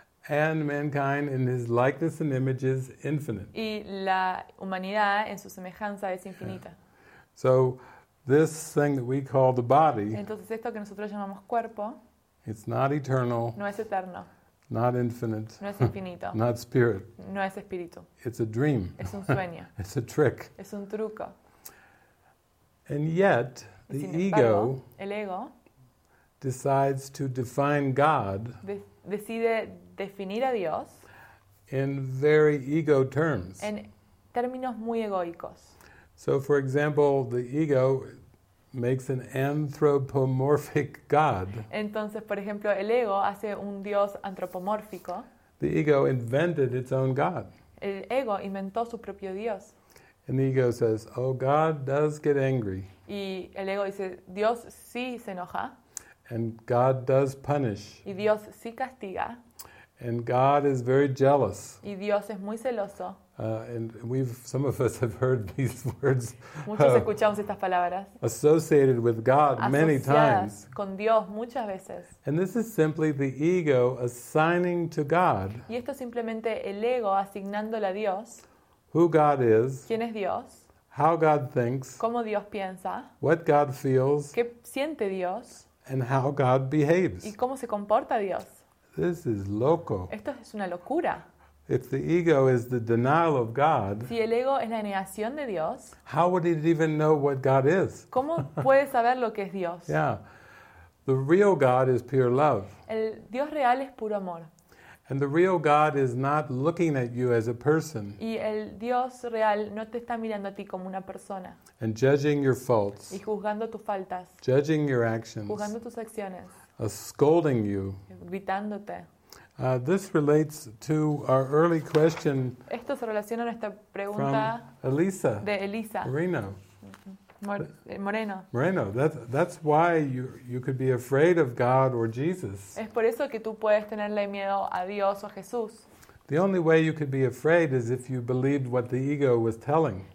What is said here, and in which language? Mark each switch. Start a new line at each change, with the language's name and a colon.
English: And mankind in his likeness and image is infinite.
Spanish: Y la humanidad en su semejanza es infinita.
English: So this thing that we call the body.
Spanish: Entonces esto que nosotros llamamos cuerpo.
English: It's not eternal.
Spanish: No es eterno.
English: Not infinite.
Spanish: No es infinito.
English: Not spirit.
Spanish: No es espíritu.
English: It's a dream.
Spanish: Es un sueño.
English: It's a trick.
Spanish: Es un truco.
English: And yet, the ego,
Spanish: el ego
English: decides to define God
Spanish: decide definir a Dios
English: in very ego terms.
Spanish: En términos muy egoicos.
English: So, for example, the ego makes an anthropomorphic God.
Spanish: Entonces, por ejemplo, el ego hace un Dios antropomórfico.
English: The ego invented its own God.
Spanish: El ego inventó su propio Dios.
English: And the ego says, oh, God does get angry.
Spanish: Y el ego dice, Dios sí se enoja.
English: And God does punish.
Spanish: Y Dios sí castiga.
English: And God is very jealous.
Spanish: Y Dios es muy celoso.
English: And some of us have heard these words.
Spanish: Muchos escuchamos estas palabras.
English: Associated with God many times.
Spanish: Con Dios muchas veces.
English: And this is simply the ego assigning to God.
Spanish: Y esto es simplemente el ego asignándole a Dios.
English: Who God is.
Spanish: ¿Quién es Dios?
English: How God thinks.
Spanish: ¿Cómo Dios piensa?
English: What God feels.
Spanish: ¿Qué siente Dios?
English: And how God behaves.
Spanish: ¿Y cómo se comporta Dios?
English: This is loco.
Spanish: Esto es una locura.
English: If the ego is the denial of God,
Spanish: si el ego es la negación de Dios,
English: how would it even know what God is?
Spanish: ¿Cómo puede saber lo que es Dios?
English: Yeah. The real God is pure love.
Spanish: El Dios real es puro amor.
English: And the real God is not looking at you as a person.
Spanish: Y el Dios real no te está mirando a ti como una persona.
English: And judging your faults.
Spanish: Y juzgando tus faltas.
English: Judging your actions.
Spanish: Juzgando tus acciones.
English: Scolding you.
Spanish: Gritándote.
English: This relates to our early question.
Spanish: Esto se relaciona a nuestra pregunta
English: from Elisa,
Spanish: de Elisa. Moreno. Moreno. Moreno.
English: That's why you could be afraid of God or Jesus.
Spanish: Es por eso que tú puedes tenerle miedo a Dios o a Jesús.
English: The only way you could be afraid is if you believed what the ego was telling.